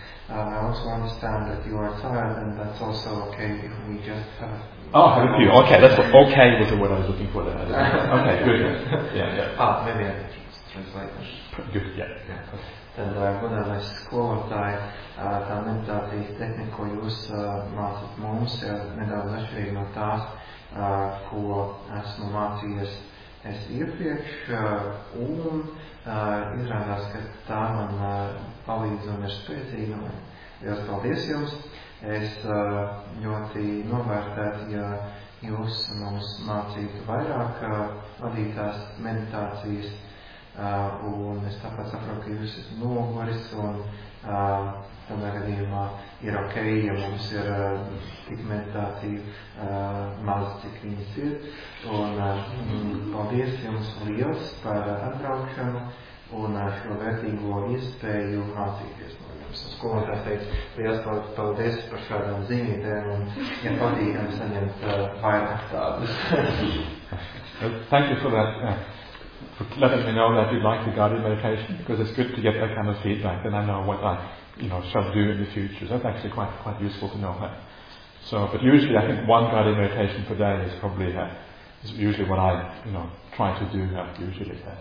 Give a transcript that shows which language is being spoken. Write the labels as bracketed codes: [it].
[en] I also understand that you are tired, and that's also okay if we just have. Oh, have a few. Okay, that's what, okay. Was the word I was looking for there? Okay, good. Yeah, yeah. Ah, maybe I can translate. Good. Yeah. [lv] Tad godālais skolotāji, tā meditācijas tehnika, ko jūs mācāt mums, nedaudz atšķirīga no tās, ko esmu mācījies es iepriekš, un izrādās, ka tā man palīdz un ir spēcīga. Liels paldies jums. Es ļoti novērtētu, ja jūs mums mācītu vairāk vadītās meditācijas, un es tāpat saprotu, ka jūs esat noguris, un tādā gadījumā ir ok, ja mums ir tik meditācija maz, cik viņas ir. Un paldies jums liels par atbraukšanu un šo vērtīgo iespēju mācīties no jums. Es skolotājs teica, liels paldies par šādām zinītēm un ja patīkam saņemt vairāk tādus. [en] Thank you for that. For letting me know that you like the guided meditation, because it's good to get that kind of feedback, and I know what I, you know, shall do in the future. So that's actually quite useful to know. So, but usually I think one guided meditation per day is probably is usually what I, you know, try to do usually.